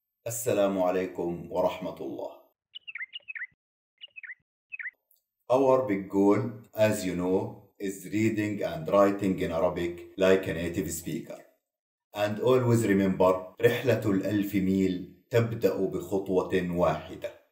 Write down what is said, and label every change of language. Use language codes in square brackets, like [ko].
[ar] السلام عليكم ورحمة الله. [en] Our big goal, as you know, is reading and writing in Arabic like a native speaker. And always remember, [ar] رحلة الألف ميل تبدأ بخطوة واحدة.